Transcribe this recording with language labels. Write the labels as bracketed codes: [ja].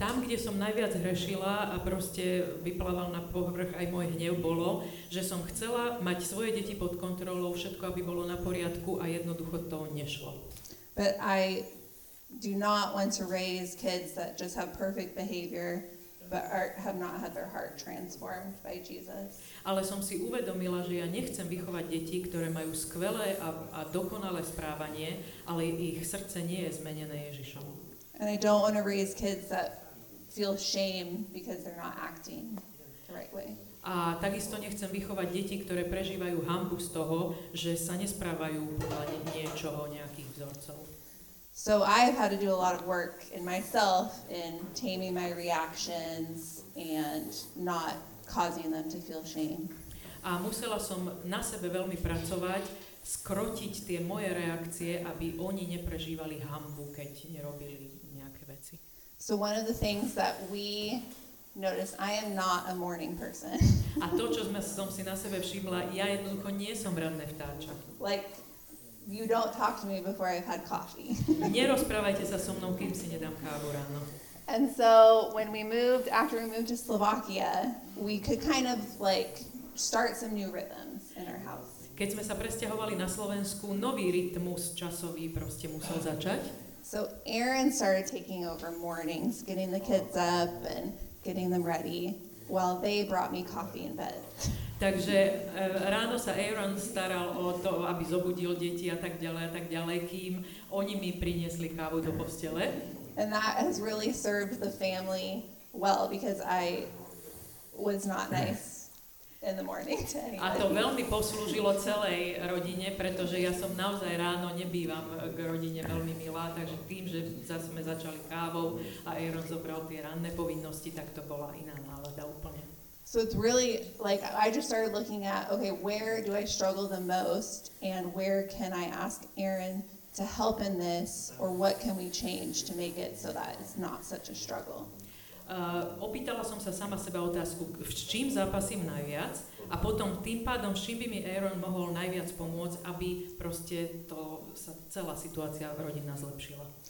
[sk] Tam, kde som najviac hrešila a proste vyplával na povrch aj môj hnev, bolo, že som chcela mať svoje deti pod kontrolou, všetko, aby bolo na poriadku, a jednoducho to nešlo. [en] But I do not want to raise kids that just have perfect behavior but have not had their heart transformed by Jesus. [sk] Ale som si uvedomila, že ja nechcem vychovať deti, ktoré majú skvelé a dokonalé správanie, ale ich srdce nie je zmenené Ježišom. [en] And I don't want to raise kids that feel shame because they're not acting the right way. [sk] A takisto nechcem vychovať deti, ktoré prežívajú hanbu z toho, že sa nesprávajú podľa niečoho, nejakých vzorcov. [en] So I've had to do a lot of work in myself in taming my reactions and not causing them to feel shame. [sk] A musela som na sebe veľmi pracovať, skrotiť tie moje reakcie, aby oni neprežívali hanbu, keď nerobili nejaké veci. [en] So one of the things that we notice, I am not a morning person. [sk] A to, čo som si na sebe všimla, ja jednoducho nie som ranné vtáča. [en] Like, you don't talk to me before I've had coffee. [sk] Nerozprávajte sa so mnou, kým si nedám kávu ráno. [en] And so when we moved, after we moved to Slovakia, we could kind of like start some new rhythms in our house. [sk] Keď sme sa presťahovali na Slovensku, nový rytmus časový proste musel začať. [en] So Aaron started taking over mornings, getting the kids up and getting them ready, while they brought me coffee in bed. [sk] Takže ráno sa Aaron staral o to, aby zobudil deti a tak ďalej, kým oni mi priniesli kávu do postele. [en] And that has really served the family well, because I was not nice in the morning to anybody. [sk] A to veľmi poslúžilo celej rodine, pretože ja som naozaj ráno nebývam k rodine veľmi milá, takže tým, že sme začali kávou a Aaron zobral tie ranné povinnosti, tak to bola iná nálada úplne. [en] So it's really like I just started looking at, okay, where do I struggle the most and where can I ask Aaron to help in this, or what can we change to make it so that it's not such a struggle. [sk] Opýtala som sa sama seba otázku, v čím zápasím najviac, a potom tým pádom, s čím by mi Aaron mohol najviac pomôcť, aby proste to sa celá situácia rodinná zlepšila.